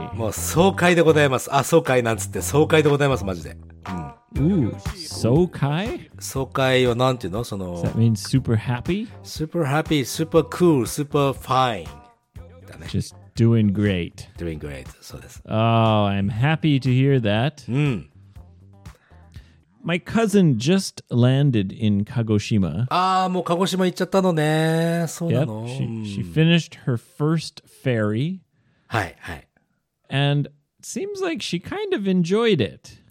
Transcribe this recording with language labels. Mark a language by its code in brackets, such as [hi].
[ja] もう爽快でございます。あ、爽快なんつって爽快でございます。マジで。うん。爽快？爽快はなんていうの？その。 [en] That means super happy? Super happy, super cool, super fine。 [ja] だね。 [en] Just doing great. Doing great, [ja] そうです。 [en] Oh, I'm happy to hear that. [ja] うん。 [en] My cousin just landed in Kagoshima. [ja] Ah, もう鹿児島行っちゃったのね。そうなの。 [en] Yep, she finished her first ferry. [ja] はいはい。 [en] And seems like she kind of enjoyed it.